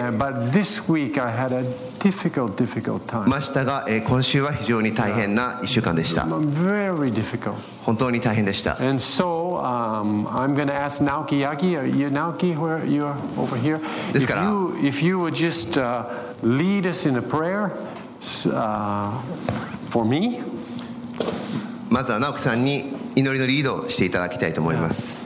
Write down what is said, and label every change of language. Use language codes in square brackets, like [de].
[en] but this week I had a difficult time. [ja] ましたが、今週は非常に大変な1週間でした、 [en] very difficult. [ja] 本当に大変でした [en] and so,I'm going to ask Naoki Yagi Naoki, where you are over here [ja] ですから [en] if you would just lead us in a prayerfor me. [ja] まずは直樹さんに祈りのリードをしていただきたいと思います。